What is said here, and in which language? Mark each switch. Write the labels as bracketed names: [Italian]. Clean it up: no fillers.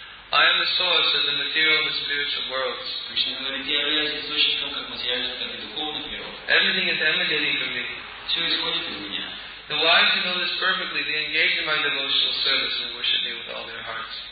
[English] I am the source of the material and spiritual worlds. [Russian] Кришна говорит, я являюсь источником как материальных, так и духовных миров. [English] Everything is emanating from me. [Russian] Все исходит из меня. [English] The wise who know this perfectly, they engage in my devotional service and worship me with all their hearts.